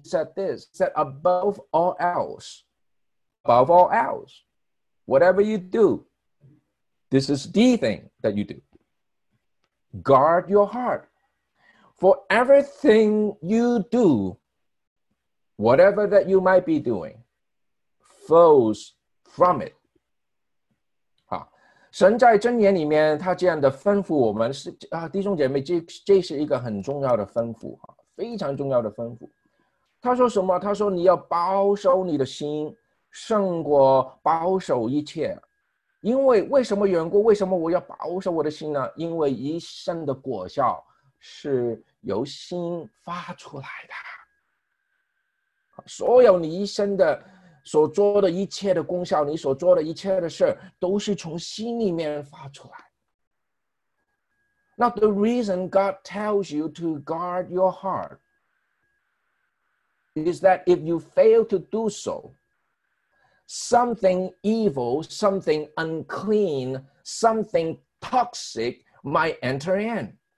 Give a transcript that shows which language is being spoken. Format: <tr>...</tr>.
<en>He said this, he said, above all else, whatever you do, this is the thing that you do. Guard your heart. For everything you do, whatever that you might be doing, flows from it.</en> <zh>神在箴言里面他这样的吩咐我们是、啊、弟兄姐妹 这是一个很重要的吩咐，非常重要的吩咐。他说什么？他说你要保守你的心胜过保守一切。因为为什么缘故，为什么我要保守我的心呢？因为一生的果效是由心发出来的，所有你一生的所做的一切的功效，你所做的一切的事都是从心里面发出来。</zh> <en>Now the reason God tells you to guard your heart is that if you fail to do so, something evil, something unclean, something toxic might enter in.</en>